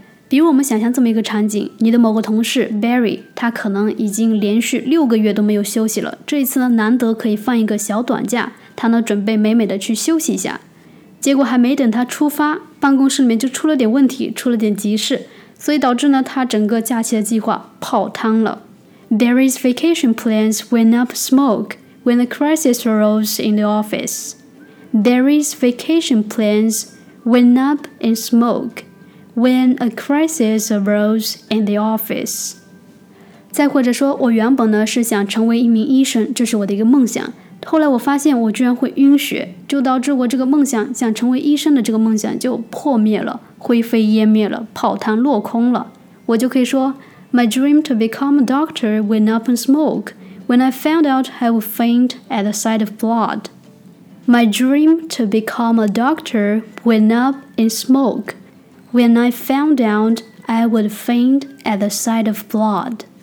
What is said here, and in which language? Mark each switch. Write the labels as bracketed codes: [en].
[zh] 比如我们想象这么一个场景，你的某个同事 Barry， 他可能已经连续6个月都没有休息了，这一次呢难得可以放一个小短假，他呢准备美美的去休息一下，结果还没等他出发，办公室里面就出了点问题，出了点急事，所以导致呢他整个假期的计划泡汤了。 [en] Barry's vacation plans went up smoke when a crisis arose in the office. Barry's vacation plans went up in smoke when a crisis arose in the office. [zh] 再或者说，我原本呢是想成为一名医生，这是我的一个梦想，后来我发现我居然会晕血，就导致我这个梦想，想成为医生的这个梦想就破灭了，灰飞烟灭了，泡汤落空了。我就可以说 [en] My dream to become a doctor went up in smoke when I found out I would faint at the sight of blood. My dream to become a doctor went up in smoke when I found out I would faint at the sight of blood.